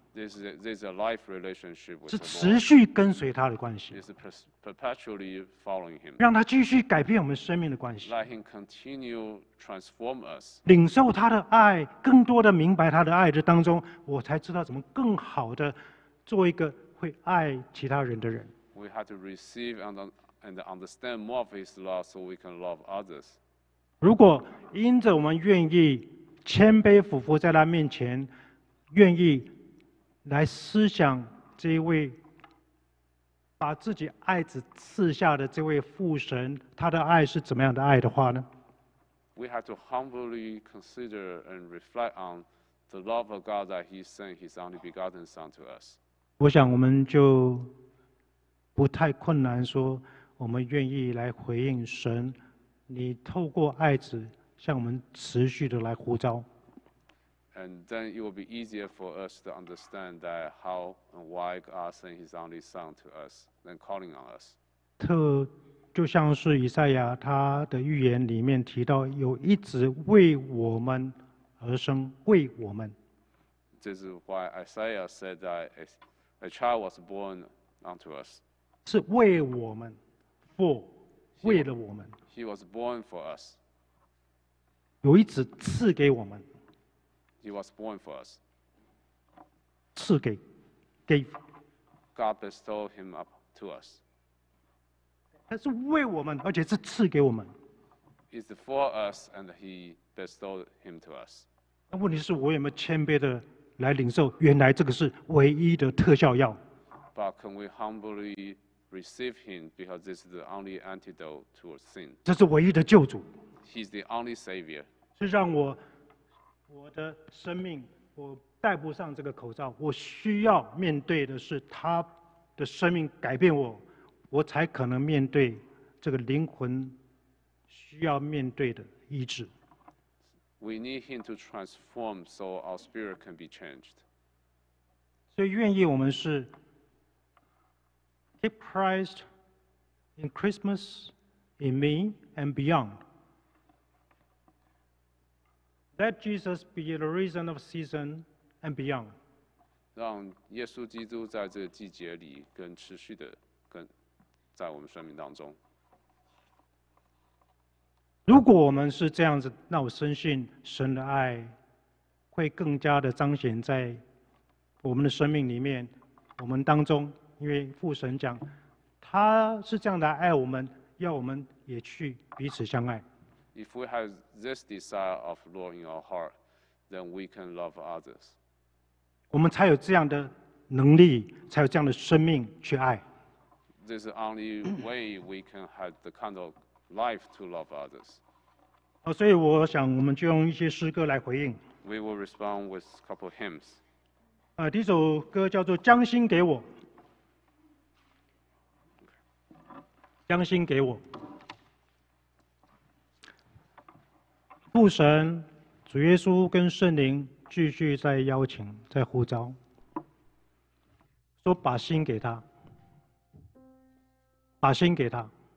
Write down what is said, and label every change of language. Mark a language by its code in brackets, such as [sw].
[en] This is a life relationship with the Lord. [zh] 是持续跟随他的关系。 [en] It's perpetually following Him. [zh] 让他继续改变我们生命的关系。 [en] Let Him continue transform us. [zh] 领受他的爱，更多的明白他的爱的当中，我才知道怎么更好的做一个会爱其他人的人。 [en] We have to receive and understand more of His love so we can love others. [zh] 如果因着我们愿意谦卑俯伏在他面前，愿意。来思想这位把自己爱子赐下的这位父神，他的爱是怎么样的爱的话呢 [en] ？We have to humbly consider and reflect on the love of God that He sent His only begotten Son to us. [zh] 我想我们就不太困难说我们愿意来回应神，你透过爱子向我们持续的来呼召。 [en] And then it will be easier for us to understand that how and why God sent His only Son to us than calling on us. [zh] 就像是以赛亚他的预言里面提到，有一直为我们而生，为我们。 [en] This is why Isaiah said that a child was born unto us. [zh] 是为我们 ，for 为了我们。 [en] He was born for us. [zh] 有一直赐给我们。 [en] He was born for us. [zh] 赐给 ，gave. [en] God bestowed him up to us. [zh] 他是为我们，而且是赐给我们。 [en] It's for us, and He bestowed him to us. [zh] 那问题是我有没有谦卑的来领受？原来这个是唯一的特效药。 [en] But can we humbly receive Him because this is the only antidote to sin? [zh] 这是唯一的救主。 [en] He's the only Savior. [zh] 是让我。我的生命，我戴不上这个口罩，我需要面对的是他的生命改变我，我才可能面对这个灵魂需要面对的医治。 [en] We need him to transform so our spirit can be changed. [zh] 所以愿意我们是 [en] keep Christ in Christmas, in me and beyond. Let Jesus be the reason of season and beyond. [zh] 让耶稣基督在这个季节里跟持续的跟在我们生命当中。如果我们是这样子，那我深信神的爱会更加的彰显在我们的生命里面，我们当中。因为父神讲，他是这样的爱我们，要我们也去彼此相爱。 [en] If we have this desire of the Lord in our heart, then we can love others. [zh] 我们才有这样的能力，才有这样的生命去爱。 [en] This is the only way we can have the kind of life to love others. [zh] 所以我想我们就用一些诗歌来回应。 [en] We will respond with a couple of hymns. [zh] 第一首歌叫做《将心给我》。将心给我。父神、主耶稣跟圣灵继续在邀请、在呼召，说把心给他，把心给他。